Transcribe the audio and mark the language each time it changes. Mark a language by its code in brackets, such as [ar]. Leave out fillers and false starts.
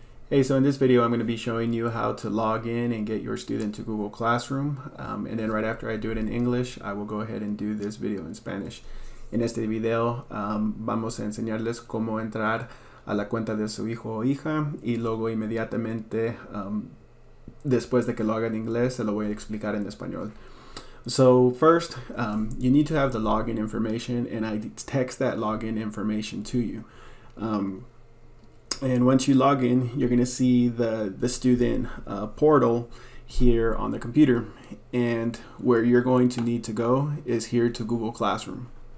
[en] Hey, so in this video, I'm going to be showing you how to log in and get your student to Google Classroom. And then right after I do it in English, I will go ahead and do this video in Spanish. [es] En este video, vamos a enseñarles cómo entrar a la cuenta de su hijo o hija. Y luego, inmediatamente, después de que lo haga en inglés, se lo voy a explicar en español. [en] So first, you need to have the login information, and I text that login information to you. And once you log in, you're going to see the student portal here on the computer. And where you're going to need to go is here to Google Classroom.